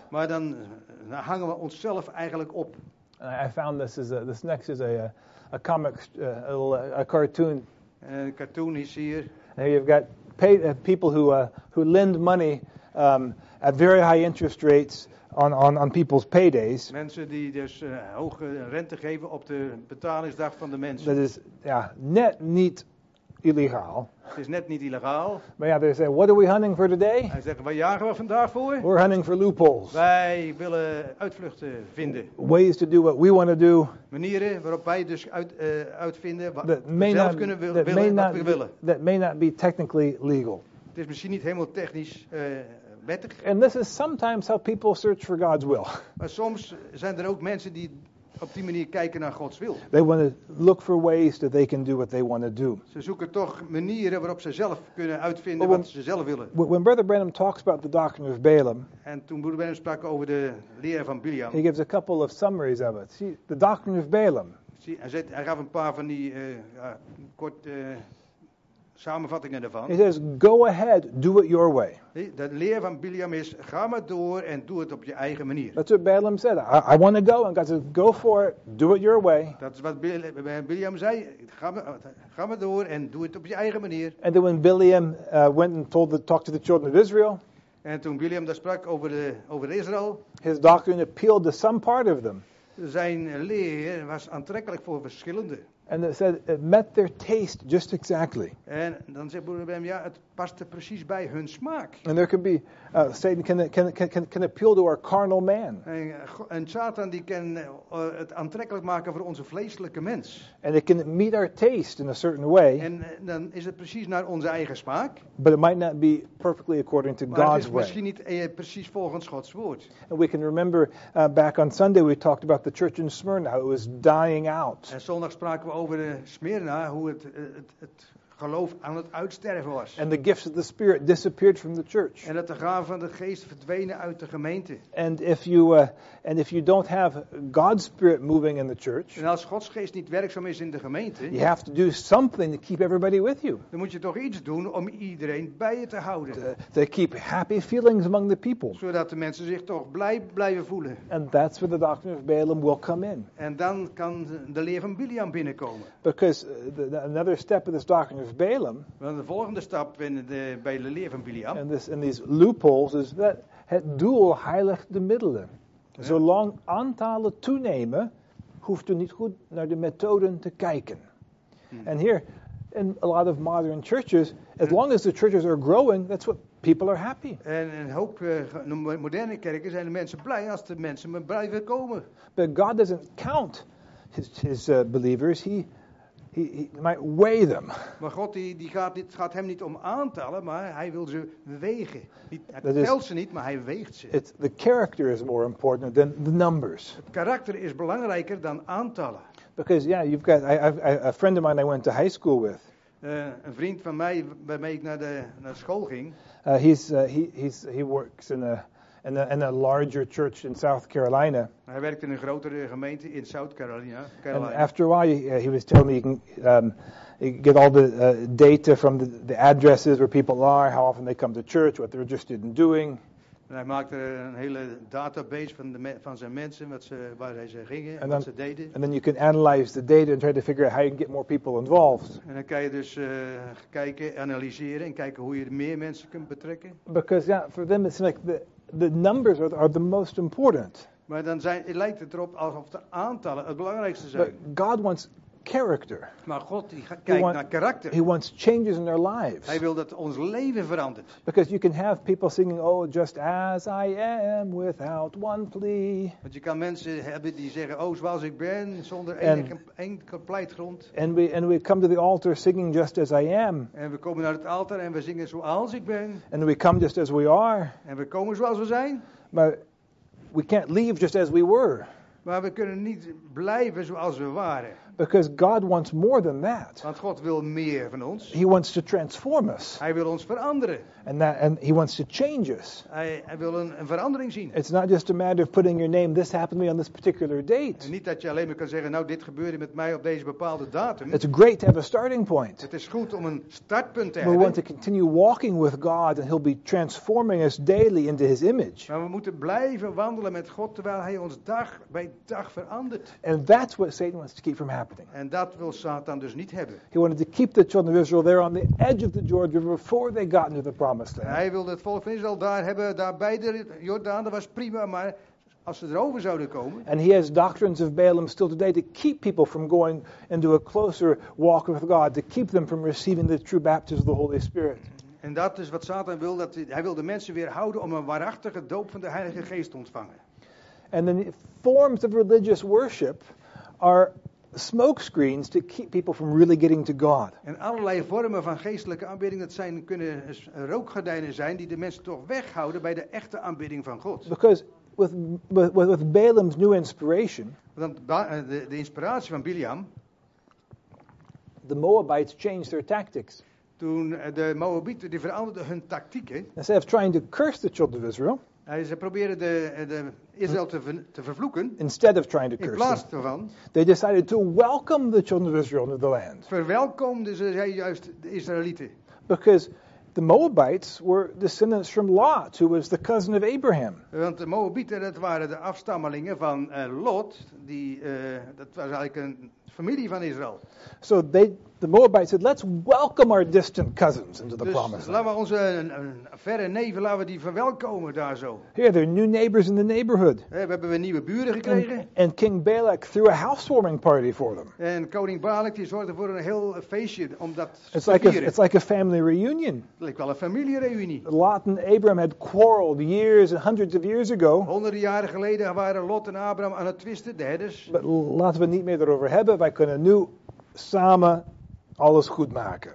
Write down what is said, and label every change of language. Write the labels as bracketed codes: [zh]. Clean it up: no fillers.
[nl] Maar dan hangen we onszelf eigenlijk op. [en] I found this is a, this next is a comic a cartoon. [nl] Een cartoon is hier. [en] And you've got people who lend money at very high interest rates on people's paydays. [nl] Mensen die dus hoge rente geven op de betalingsdag van de mensen. That is net niet illegaal. Het is net niet illegaal. Maar ja, [en] they say, what are we hunting for today? [nl] Hij zegt, waar jagen we vandaag voor? [en] We're hunting for loopholes. [nl] Wij willen uitvluchten vinden. [en] Ways to do what we want to do. [nl] Manieren waarop wij dus uitvinden wat we zelf kunnen willen, wat we willen. [en] That may not be technically legal. [nl] Het is misschien niet helemaal technisch wettig. [en] And this is sometimes how people search for God's will. [nl] Maar soms zijn er ook mensen die op die manier kijken naar Gods wil. [en] They want to look for ways that they can do what they want to do. [nl] Ze zoeken toch manieren waarop ze zelf kunnen uitvinden wat ze zelf willen. [en] When Brother Branham talks about the doctrine of Balaam, [nl] en toen Broeder Branham sprak over de leer van Bileam, [en] he gives a couple of summaries of it. See, the doctrine of Balaam. [nl] See, hij gaf een paar van die korte samenvattingen ervan. [en] He says, go ahead, do it your way. [nl] De leer van Bileam is, ga maar door en doe het op je eigen manier. [en] That's what Balaam said. I want to go. And God said, go for it, do it your way. [nl] Dat is wat Bileam zei. Ga maar door en doe het op je eigen manier. [en] And then when Bileam went and talked to the children of Israel. [nl] En toen Bileam daar sprak over Israël. [en] His doctrine appealed to some part of them. [nl] Zijn leer was aantrekkelijk voor verschillende. [en] And it said it met their taste just exactly. [nl] En dan zegt Broeder Bem, ja, het paste precies bij hun smaak. [en] And there could be Satan can appeal to our carnal man. [nl] En Satan die kan het aantrekkelijk maken voor onze vleeselijke mens. [en] And it can meet our taste in a certain way. [nl] En dan is het precies naar onze eigen smaak. [en] But it might not be perfectly according to God's way. [nl] Maar het is misschien niet precies volgens Gods woord. [en] And we can remember back on Sunday we talked about the church in Smyrna. It was dying out. [nl] En zondag spraken we over de Smyrna, hoe het geloof aan het uitsterven was. [en] And the gifts of the Spirit disappeared from the church. [nl] En dat de gaven van de geest verdwenen uit de gemeente. [en] And if you don't have God's Spirit moving in the church. [nl] En als Gods geest niet werkzaam is in de gemeente. [en] You have to do something to keep everybody with you. [nl] Dan moet je toch iets doen om iedereen bij je te houden. [en] To keep happy feelings among the people. [nl] Zodat de mensen zich toch blij blijven voelen. [en] And that's where the doctrine of Balaam will come in. [nl] En dan kan de leer van Bileam binnenkomen. [en] Because another step of this doctrine. Of Balaam. [nl] Want de volgende stap bij de leer van Bileam. [en] And this in these loopholes is that [nl] het doel heiligt de middelen. Ja. Zolang aantallen toenemen, hoeft u niet goed naar de methoden te kijken. [en] And here, in a lot of modern churches, as long as the churches are growing, that's what people are happy. [nl] En een hoop moderne kerken zijn de mensen blij als de mensen maar blijven komen. [en] But God doesn't count his believers. He might weigh them. [nl] Maar God gaat hem niet om aantallen, maar hij wil ze wegen. Hij telt ze niet, maar hij weegt ze. [en] The character is more important than the numbers. [nl] Het karakter is belangrijker dan aantallen. [en] Because you've got a friend of mine I went to high school with. [nl] Een vriend van mij waarmee ik naar school ging. [en] He works in a larger church in South Carolina. [nl] Hij werkte in een grotere gemeente in South Carolina. [en] And after a while, he was telling me you can get all the data from the addresses where people are, how often they come to church, what they're interested in doing. [nl] En hij maakte een hele database van zijn mensen, waar ze gingen, and wat [en] then, [nl] ze deden. [en] And then you can analyze the data and try to figure out how you can get more people involved. [nl] En dan kan je dus kijken, analyseren en kijken hoe je meer mensen kunt betrekken. [en] Because for them it's like the numbers are the most important. [nl] Maar dan lijkt het erop alsof de aantallen het belangrijkste zijn. [en] But God wants character. [nl] Maar God kijkt naar karakter. [en] He wants changes in their lives. [nl] Hij wil dat ons leven verandert. [en] Because you can have people singing, oh, just as I am, without one plea. [nl] Want je kan mensen hebben die zeggen, oh, zoals ik ben, zonder enige pleitgrond. [en] And we come to the altar singing just as I am. [nl] En we komen naar het altaar en we zingen zoals ik ben. [en] And we come just as we are. [nl] En we komen zoals we zijn. [en] But we can't leave just as we were. [nl] Maar we kunnen niet blijven zoals we waren. [en] Because God wants more than that. [nl] Want God wil meer van ons. [en] He wants to transform us. [nl] Hij wil ons veranderen. [en] And he wants to change us. [nl] Hij wil een verandering zien. [en] It's not just a matter of putting your name, this happened to me on this particular date. [nl] En niet dat je alleen maar kan zeggen, nou dit gebeurde met mij op deze bepaalde datum. [en] It's great to have a starting point. [nl] Het is goed om een startpunt te [en] we [nl] hebben. [en] We want to continue walking with God and he'll be transforming us daily into his image. [nl] Maar we moeten blijven wandelen met God terwijl hij ons dag bij dag verandert. [en] And that's what Satan wants to keep from happening. [nl] En dat wil Satan dus niet hebben. [en] He wanted to keep the children of Israel there on the edge of the Jordan River before they got into the promised land. [nl] Hij wilde het volk van Israël daar hebben, daar bij de Jordaan, dat was prima, maar als ze erover zouden komen. [en] And he has doctrines of Balaam still today to keep people from going into a closer walk with God, to keep them from receiving the true baptism of the Holy Spirit. [nl] En dat is wat Satan wil, dat hij wil de mensen weer houden om een waarachtige doop van de Heilige Geest te ontvangen. [en] And the forms of religious worship are smoke screens to keep people from really getting to God. [nl] En allerlei vormen van geestelijke aanbidding, dat zijn kunnen rookgordijnen zijn die de mensen toch weghouden bij de echte aanbidding van God. [en] Because with Balaam's new inspiration, [nl] want de inspiratie van Bileam, [en] the Moabites changed their tactics. [nl] Toen de Moabieten die veranderden hun tactieken. [en] Instead of trying to curse the children of Israel. [nl] Ze proberen de Israël te vervloeken. [en] Instead of trying to curse [nl] in plaats [en] them, [nl] ervan. [en] They decided to welcome the children of Israel into the land. [nl] Verwelkomden ze juist de Israëlieten. [en] Because the Moabites were descendants from Lot, who was the cousin of Abraham. [nl] Want de Moabieten, dat waren de afstammelingen van Lot, die dat was eigenlijk een familie van Israël. [en] So the Moabites said, "Let's welcome our distant cousins into the [nl] dus [en] promised land." [nl] Dus laten we onze verre neven, laten we die verwelkomen daar zo. [en] Here, there are new neighbors in the neighborhood. [nl] We hebben nieuwe buren gekregen. [en] And King Balak threw a housewarming party for them. [nl] En koning Balak die zorgde voor een heel feestje om dat te vieren. [en] It's like a family reunion. [nl] Lijkt wel een familiereunie. [en] Lot and Abraham had quarreled years and hundreds of years ago. [nl] Honderden jaren geleden waren Lot en Abraham aan het twisten, de herders. But laten we niet meer erover hebben. Wij kunnen nu samen alles goed maken.